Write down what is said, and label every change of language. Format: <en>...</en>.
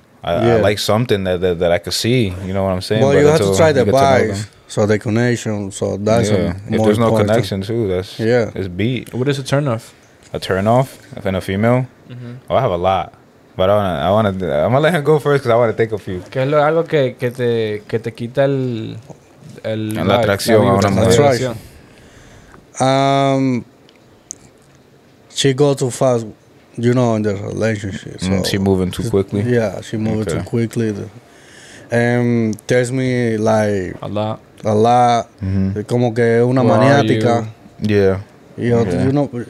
<en>I like something that I could see. You know what I'm saying? Well, you have to try the vibes. So the connection. So that's more important. If there's no connection too, it's beat. What is a turnoff? A turnoff in a female? Mm-hmm. Oh, I have a lot. But I'm gonna let him go first because I want to take a few.</en> <es>¿Qué es lo algo que te quita el la atracción a una mujer?</es> <en>She go too fast, you know, in the relationship. So she moving too quickly. Yeah, she moving too quickly. Tells me like a lot.</en> <es>Mm-hmm. Como que una maniática.</es> <en>Yeah. You know.</en>